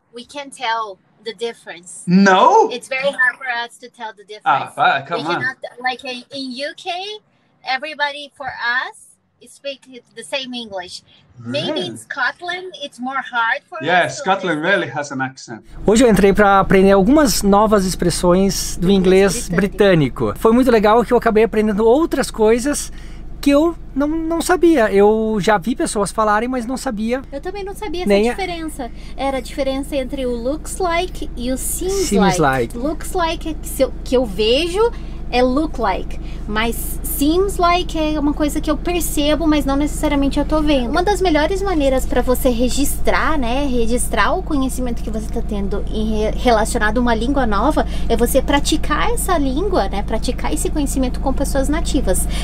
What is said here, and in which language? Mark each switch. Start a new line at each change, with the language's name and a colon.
English: We can't tell the difference. No? It's very hard for us to tell the difference. Ah, come on. Like in UK, everybody for us, speak the same English. Really? Maybe in Scotland it's more hard for us. Yeah, Scotland really has an accent.
Portuguese: Hoje eu entrei para aprender algumas novas expressões do inglês britânico. Foi muito legal que eu acabei aprendendo outras coisas que eu não sabia. Eu já vi pessoas falarem, mas não sabia. Eu também não sabia essa diferença. Era a diferença entre o looks like e o seems like. Looks like é que eu vejo. É look like, mas seems like é uma coisa que eu percebo, mas não necessariamente eu tô vendo. Uma das melhores maneiras para você registrar, né, registrar o conhecimento que você tá tendo relacionado a uma língua nova, é você praticar essa língua, né, praticar esse conhecimento com pessoas nativas.